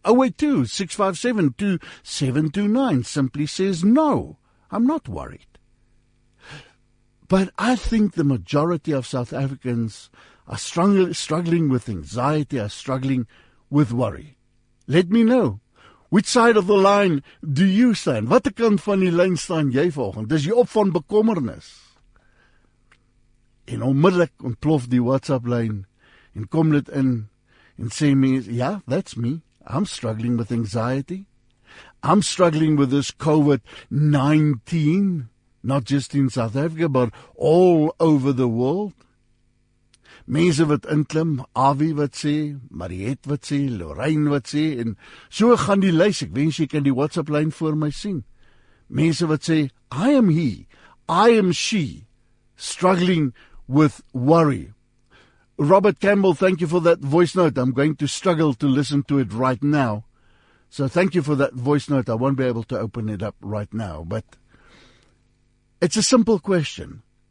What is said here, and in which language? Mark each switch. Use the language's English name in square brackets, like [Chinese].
[English] 082-657-2729 simply says, no, I'm not worried. But I think the majority of South Africans are struggling with anxiety, are struggling with worry. Let me know. Which side of the line do you stand? [Afrikaans] Wat kant van die lyn staan jy vanoggend? Dis jy op van bekommernis. En onmiddellik ontplof die WhatsApp lyn en kom dit in en sê my, ja, [English] that's me. I'm struggling with anxiety. I'm struggling with this COVID-19, not just in South Africa, but all over the world. [Afrikaans] Mense wat inklim, Avi wat sê, Mariette wat sê, Lorraine wat sê, en so gaan die lys, ek wens jy kan die WhatsApp lyn voor my sien. Mense wat sê, [English] I am he, I am she, struggling with worry. Robert Campbell, thank you for that voice note. I'm going to struggle to listen to it right now. So thank you for that voice note. I won't be able to open it up right now, but it's a simple question.